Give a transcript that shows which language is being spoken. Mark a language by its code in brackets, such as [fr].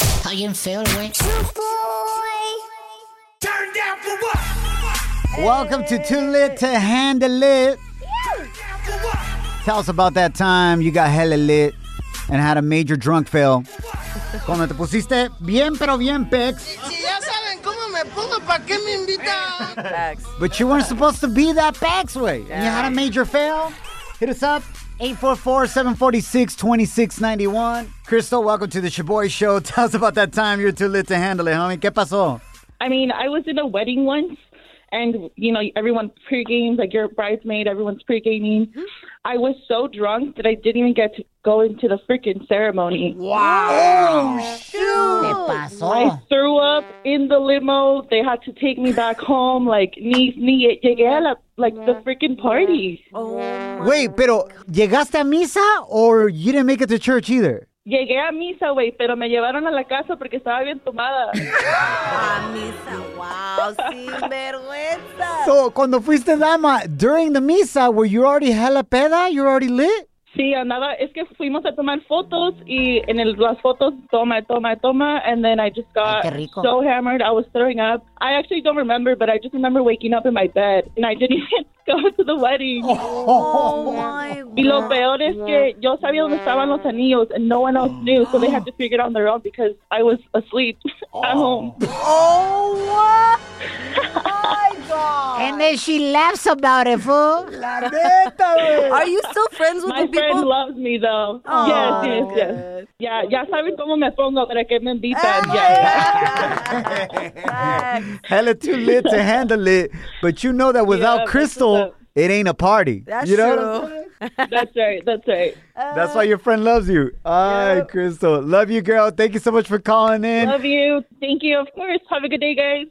[en] How you feel, boy? Shaboy. Turn down for what? Welcome to Too Lit to Handle It. Tell us about that time you got hella lit and had a major drunk fail. [es] Cuando te pusiste bien, pero bien, pex. Ya saben cómo me pongo, ¿pa' qué me invitan? [en] But you weren't supposed to be that pex, way. And you had a major fail? Hit us up. 844-746-2691. Crystal, welcome to the Shaboy Show. Tell us about that time you're too lit to handle it, homie. [es] ¿Qué pasó? [en] I mean, I was in a wedding once. And, you know, everyone pre-games, like your bridesmaid, everyone's pre-gaming. I was so drunk that I didn't even get to go into the freaking ceremony. Wow. Oh, shoot. [es] ¿Qué pasó? [en] I threw up in the limo. They had to take me back home. Like, [es] ni llegué a la, [en] like, yeah. the freaking party. Yeah. Oh, wait, [es] pero ¿llegaste a misa [en] or you didn't make it to church either? [es] Llegué a misa, güey, pero me llevaron a la casa porque estaba bien tomada. A misa, wow, sin vergüenza. [en] So, [es] cuando fuiste dama, [en] during the misa, were you already hella peda? You were already lit? [es] Sí, andaba, es que fuimos a tomar fotos y en el, las fotos, toma, [en] and then I just got so hammered, I was throwing up. I actually don't remember, but I just remember waking up in my bed, and I didn't even go to the wedding. Oh my God. [es] Y lo peor es que yo sabía dónde estaban los anillos, [en] and no one else knew, so they had to figure it out on their own because I was asleep at home. Oh, what? And then she laughs about it, fool. [es] La neta, wey. [en] Are you still friends with my the people? My friend loves me, though. Aww, yes. [es] Yeah, ya sabes cómo me pongo para que me invitan. [en] Hella too lit to handle it, but you know that without Crystal, it ain't a party. That's you know? True. That's right. That's why your friend loves you. Hi, Crystal. Love you, girl. Thank you so much for calling in. Love you. Thank you, of course. Have a good day, guys.